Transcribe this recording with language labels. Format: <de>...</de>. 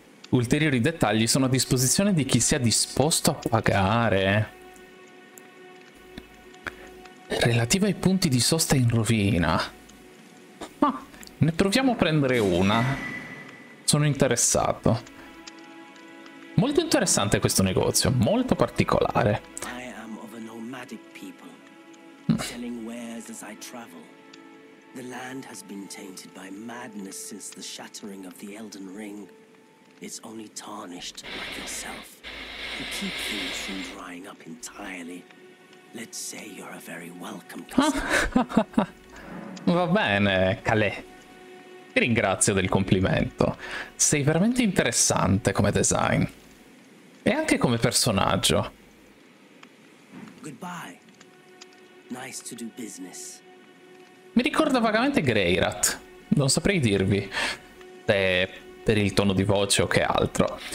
<it>Ulteriori dettagli sono a disposizione di chi sia disposto a pagare. Relativa ai punti di sosta in rovina. Ma ne proviamo a prendere una. Sono interessato. Molto interessante questo negozio, molto particolare.</it> <en>I am of a nomadic people, selling wares as I travel. The land has been tainted by madness since the shattering of the Elden Ring. It's only tarnished like yourself. You keep things from drying up entirely. Let's say you're a very welcome customer.</en> <it>Va bene,</it> <en>Calais.</en> <it>Ti ringrazio del complimento. Sei veramente interessante come design. E anche come personaggio.</it> <en>Goodbye. Nice to do business.</en> <it>Mi ricorda vagamente Greyrat. Non saprei dirvi se per il tono di voce o che altro.</it>